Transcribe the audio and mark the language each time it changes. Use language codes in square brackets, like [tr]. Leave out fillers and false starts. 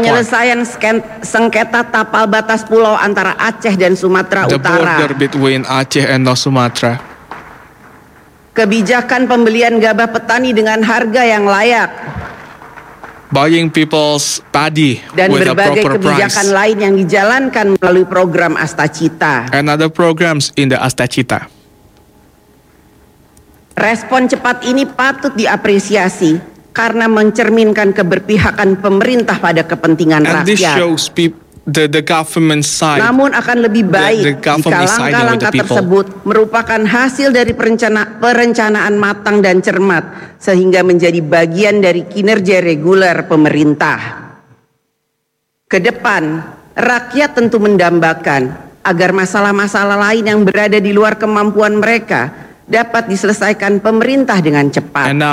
[id] penyelesaian sengketa tapal batas pulau antara Aceh dan Sumatera Utara, [en] the border between Aceh and North Sumatra, [id] kebijakan pembelian gabah petani dengan harga yang layak, [en] buying people's paddy with a proper price, [id] dan berbagai kebijakan lain yang dijalankan melalui program Astacita [en] and other programs in the Astacita. [id] Respon cepat ini patut diapresiasi karena mencerminkan keberpihakan pemerintah pada kepentingan [en] and [id] rakyat. [en] This shows the government side. [id] Namun akan lebih baik jika langkah-langkah tersebut merupakan hasil dari perencanaan matang dan cermat sehingga menjadi bagian dari kinerja reguler pemerintah. Kedepan, rakyat tentu mendambakan agar masalah-masalah lain yang berada di luar kemampuan mereka dapat diselesaikan pemerintah dengan cepat.